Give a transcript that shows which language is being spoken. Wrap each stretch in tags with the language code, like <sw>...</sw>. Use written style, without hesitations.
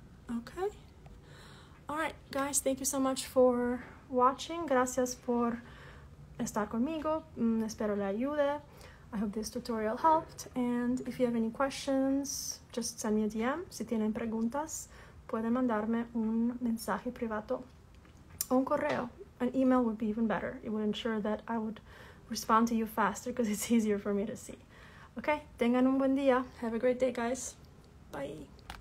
<en>Okay. All right, guys, thank you so much for watching.</en> <es>Gracias por estar conmigo. Espero le ayude.</es> <en>I hope this tutorial helped. And if you have any questions, just send me a DM.</en> <es>Si tienen preguntas, pueden mandarme un mensaje privado o un correo.</es> <en>An email would be even better. It would ensure that I would respond to you faster because it's easier for me to see. Okay,</en> <es>tengan un buen día.</es> <en>Have a great day, guys. Bye.</en>